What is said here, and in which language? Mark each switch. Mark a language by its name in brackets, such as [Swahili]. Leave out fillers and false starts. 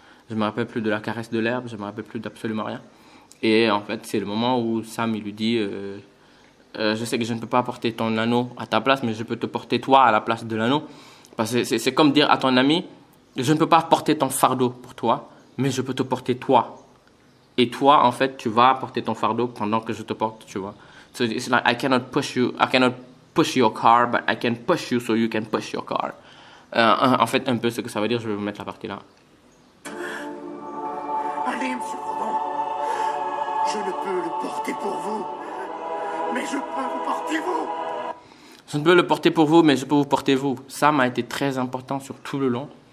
[French] Je me rappelle plus de la caresse de l'herbe, je me rappelle plus d'absolument rien. Et en fait, c'est le moment où Sam il lui dit, je sais que je ne peux pas porter ton anneau à ta place, mais je peux te porter toi à la place de l'anneau. Parce que c'est comme dire à ton ami, je ne peux pas porter ton fardeau pour toi, mais je peux te porter toi. Et toi, en fait, tu vas porter ton fardeau pendant que je te porte, tu vois. [English] So it's like, I cannot push your car, but I can push you so you can push your car. [French] En fait, un peu ce que ça veut dire, je vais vous mettre la partie là. Allez, monsieur Frodon, je ne peux le porter pour vous, mais je peux vous porter vous. Je ne peux le porter pour vous, mais je peux vous porter vous. Sam a été très important sur tout le long.